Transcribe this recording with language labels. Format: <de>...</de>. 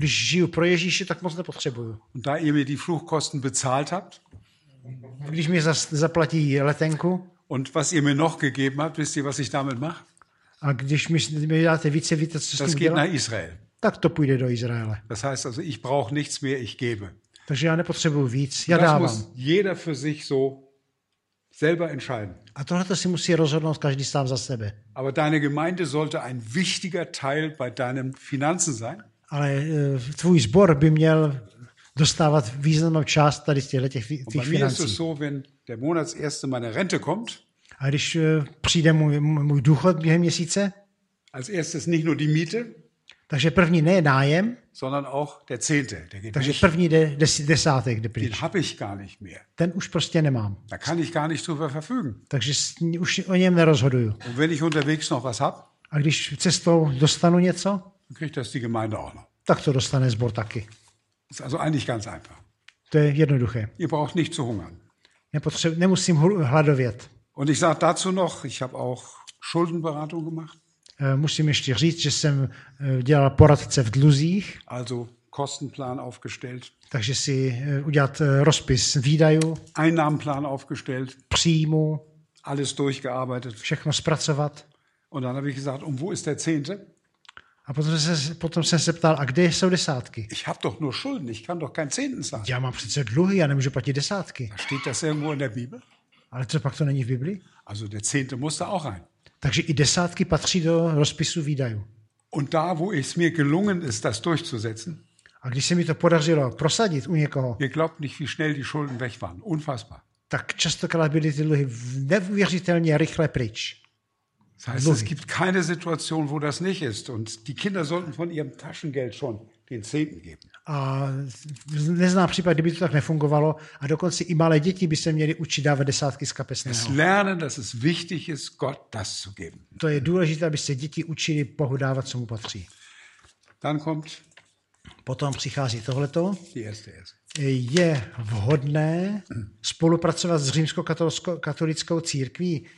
<cs>Když žiju pro Ježíše, tak moc nepotřebuju.</cs> <de>Und da ihr mir die Fluchkosten bezahlt habt,</de> <cs>když mi zaplatí letenku.</cs> <de>Und was ihr mir noch gegeben habt, wisst ihr, was ich damit mache?</de> <cs>A když mi dáte více, víte, co</cs> <de>das geht nach Israel.</de> <cs>Tak to půjde do Izraele.</cs> <de>Das heißt also, ich brauche nichts mehr, ich gebe.</de> <cs>Takže já nepotřebuju víc, já dávám.</cs> <de>Das muss jeder für sich so selber entscheiden.</de> <cs>A tohleto si musí rozhodnout každý sám za sebe.</cs> <de>Aber deine Gemeinde sollte ein wichtiger Teil bei deinen Finanzen sein.</de> <cs>Ale tvůj sbor by měl dostávat významnou část tady z těch financí.</cs> <de>Bei mir ist es so, wenn der Monatserste meine Rente kommt.</de> <cs>A když přijde můj důchod během měsíce.</cs> <de>Als erstes nicht nur die Miete.</de> <cs>Takže první ne je nájem.</cs> <de>Sondern auch der Zehnte.</de> <cs>Takže první jde desátek, jde pryč.</cs> <de>Den habe ich gar nicht mehr.</de> <cs>Ten už prostě nemám.</cs> <de>Da kann ich gar nicht drüber verfügen.</de> <cs>Takže už o něm nerozhoduju.</cs> <de>Und wenn ich unterwegs noch was hab.</de> <cs>A když cestou dostanu něco.</cs> <de>Dann kriegt das die Gemeinde auch noch.</de> <cs>Tak to dostane sbor taky.</cs> <de>Ist also eigentlich ganz einfach.</de> <cs>To je jednoduché.</cs> <de>Ihr braucht nicht zu hungern.</de> <cs>Nemusím hladovět.</cs> <de>Und ich sage dazu noch, ich habe auch Schuldenberatung gemacht.</de> <cs>Musím ještě říct, že jsem dělal poradce v dluzích.</cs> <de>Also Kostenplan aufgestellt.</de> <cs>Takže si udělat rozpis výdajů.</cs> <de>Einnahmenplan aufgestellt.</de> <cs>Příjmu.</cs> <de>Alles durchgearbeitet.</de> <cs>Všechno zpracovat.</cs> <de>Und dann habe ich gesagt, und wo ist der Zehnte?</de> <cs>A potom jsem se ptal, a kde jsou desátky?</cs> <de>Ich habe doch nur Schulden, ich kann doch kein Zehnten sagen.</de> <cs>Já mám přece dluhy, já nemůžu platit desátky.</cs> <de>Da steht das irgendwo in der Bibel?</de> <cs>Ale to pak to není v Biblii?</cs> <de>Also der Zehnte muss da auch rein.</de> <cs>Takže i desátky patří do rozpisu výdajů.</cs> <de>Und da, wo es mir gelungen ist, das durchzusetzen.</de> <cs>A když se mi to podařilo prosadit u někoho.</cs> <de>Ihr glaubt nicht, wie schnell die Schulden weg waren. Unfassbar.</de> <cs>Tak častokrát byly ty dluhy neuvěřitelně rychle pryč.</cs> <de>Das heißt, es gibt keine Situation, wo das nicht ist. Und die Kinder sollten von ihrem Taschengeld schon den Zehnten geben.</de> <cs>A neznám případ, kdyby to tak nefungovalo. A dokonce i malé děti by se měly učit dávat desátky z kapesného.</cs> <de>Es lernen, dass es wichtig ist, Gott das zu geben.</de> <cs>To je důležité, aby se děti učili Bohu dávat, co mu patří.</cs> <de>Dann kommt</de> <cs>Potom přichází tohleto.</cs> <en>Yes, yes.</en> <cs>Je vhodné spolupracovat s římskokatolickou církví?</cs>